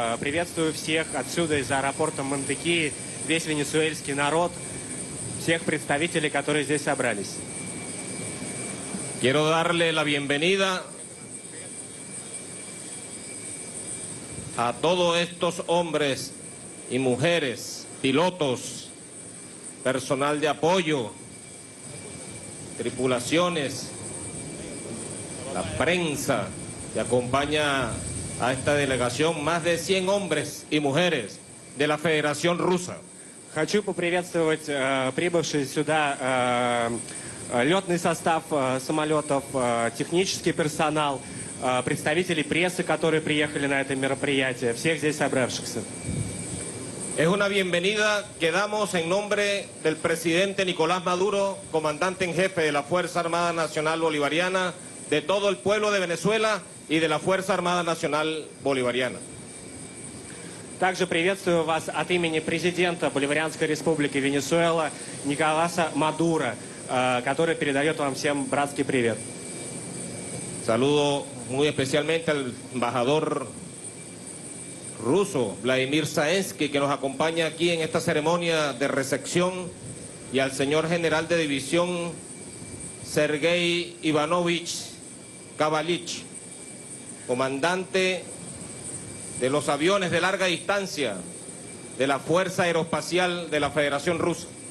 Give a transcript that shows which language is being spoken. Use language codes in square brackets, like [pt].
[ru] Приветствую всех отсюда из аэропорта Монтеки, весь венесуэльский народ, всех представителей, которые здесь собрались. [es] Quiero darle la bienvenida a todos estos hombres y mujeres, pilotos, personal de apoyo, tripulaciones. La prensa que acompaña a esta delegación, más de 100 hombres y mujeres de la Federación Rusa. [ru] Хочу поприветствовать прибывший сюда летный состав самолетов, технический персонал, представителей прессы, которые приехали на это мероприятие, всех здесь собравшихся. [es] Es una bienvenida que damos en nombre del presidente Nicolás Maduro, comandante en jefe de la Fuerza Armada Nacional Bolivariana, de todo el pueblo de Venezuela y de la Fuerza Armada Nacional Bolivariana. [ru] Также приветствую вас от имени президента Боливарианской Республики Венесуэла Николаса Мадуро, который передает вам всем братский привет. [es] Saludo muy especialmente al embajador ruso Vladimir Zaensky, que nos acompaña aquí en esta ceremonia de recepción, y al señor general de división Sergei Ivanovich Kavalich, comandante de los aviones de larga distancia de la Fuerza Aeroespacial de la Federación Rusa.